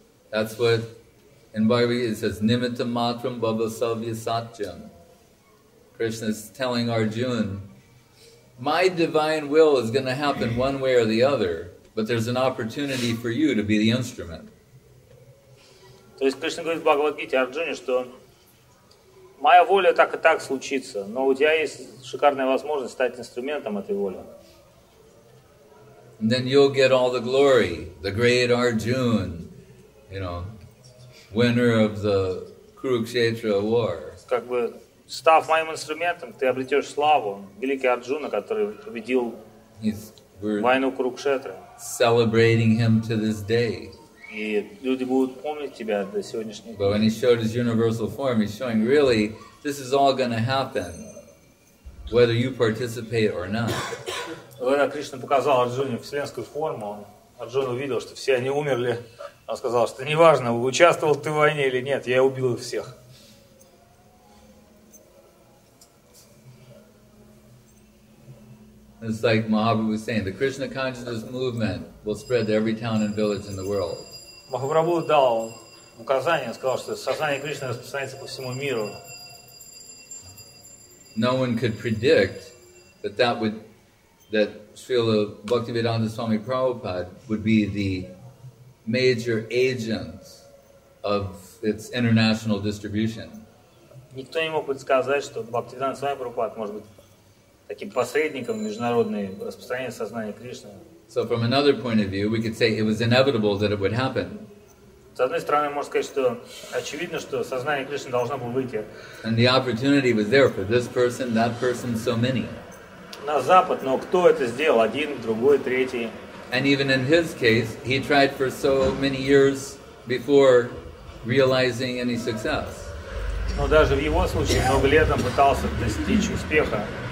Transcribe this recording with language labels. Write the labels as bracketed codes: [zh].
[en] That's what in Bhagavad Gita it says, [sa] Nimitta Matram Bhava Savya Satyam. [en] Krishna is telling Arjuna, my divine will is going to happen one way or the other, but there's an opportunity for you to be the instrument. [ru] То есть Кришна говорит в Бхагавад-гите Арджуне, что моя воля так и так случится, но у тебя есть шикарная возможность стать инструментом этой воли. [en] And then you'll get all the glory, the great Arjuna, you know, winner of the Kurukshetra war. [ru] Как бы, став моим инструментом, ты обретешь славу, великий Арджуна, который победил войну Курукшетры. [en] Celebrating him to this day. [ru] И люди будут помнить тебя до сегодняшнего дня. [en] But when he showed his universal form, he's showing, really, this is all going to happen, whether you participate or not. [ru] Когда Кришна показал Арджуне вселенскую форму, Арджун увидел, что все они умерли. Он сказал, что неважно, участвовал ты в войне или нет, я убил их всех. [en] It's like Mahabhu was saying, the Krishna consciousness movement will spread to every town and village in the world. [ru] Mahaprabhu дал указание, сказал, что сознание Кришны распространяется по всему миру. [en] No one could predict that that would that Srila Bhaktivedanta Swami Prabhupada would be the major agent of its international distribution. [ru] Никто не мог предсказать, что Бхактивиданта Свами Прабхупада может быть таким посредником международного распространения сознания Кришны. [en] So from another point of view, we could say it was inevitable that it would happen. [ru] С одной стороны, можно сказать, что очевидно, что сознание Кришны должно было выйти. [en] And the opportunity was there for this person, that person, so many. [ru] На Запад, но кто это сделал? Один, другой, третий. [en] And even in his case, he tried for so many years before realizing any success. [ru] Но даже в его случае много лет он пытался достичь успеха.